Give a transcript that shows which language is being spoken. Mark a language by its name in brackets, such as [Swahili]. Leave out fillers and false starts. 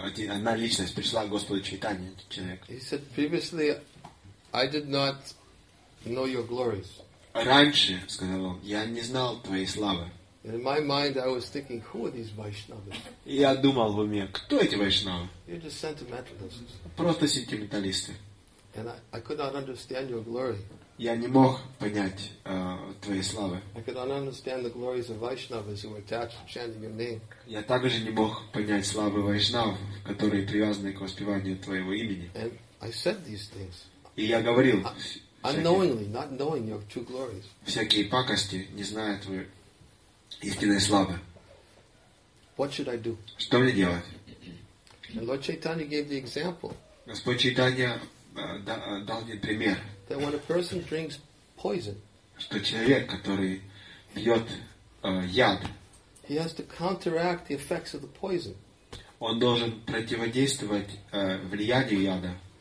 [Russian] Одна личность пришла к Господу Чайтанье, человек. [English] He said previously, I did not know your glories. [Russian] Раньше, сказал он, я не знал твоей славы. [English] And in my mind, I was thinking, who are these Vaishnavas? [Russian] Я думал в уме, кто эти Вайшнавы? [English] You're just sentimentalists. [Russian] Просто сентименталисты. [English] And I could not understand your glory. [Russian] Я не мог понять твоей славы. [English] I could not understand the glories of Vaishnavas who were attached to chanting your name. [Russian] Я также не мог понять славы Вайшнав, которые привязаны к воспеванию твоего имени. [English] And I said these things. [Russian] И я говорил. [English] Unknowingly, not knowing your true glories. [Russian] Всякие пакости, не зная твоей истинной славы. [English] What should I do? [Russian] Что мне делать? [English] And Lord Chaitanya gave the example. [Russian] Господь Чайтанья дал мне пример. [English] That when a person drinks poison, [Russian] что человек, который пьет яд, [English] he has to counteract the effects of the poison. [Russian] Он должен противодействовать влиянию яда.